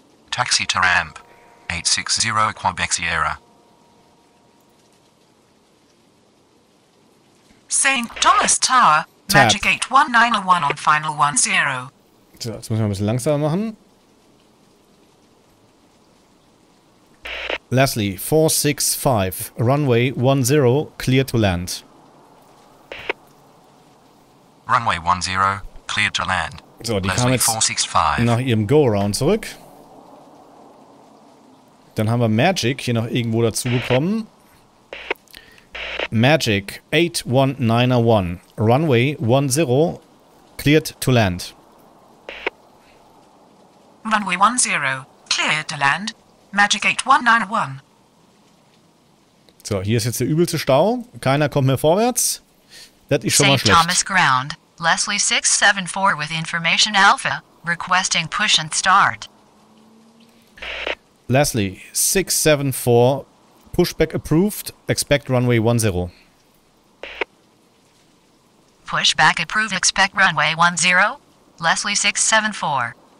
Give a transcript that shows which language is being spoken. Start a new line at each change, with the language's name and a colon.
English: Taxi to ramp. 860 Quebec Sierra. St. Thomas Tower, Tab. Magic 8191 on final 10.
German: So, jetzt müssen wir ein bisschen langsamer machen.
English: Leslie, 465, runway 10, clear to land. Runway 10, clear to land.
German: So, die kam jetzt nach ihrem Go-Around zurück. Dann haben wir Magic hier noch irgendwo dazu bekommen.
English: Magic 8191, runway 10, cleared to land. Runway 10, cleared to land. Magic 8191.
German: So, hier ist jetzt der übelste Stau. Keiner kommt mehr vorwärts. Das ist schon mal schlecht.
English: St. Thomas Ground, Leslie 674 with information Alpha, requesting push and start. Leslie, 674, pushback approved, expect runway 10. Pushback approved, expect runway 10, Leslie 674.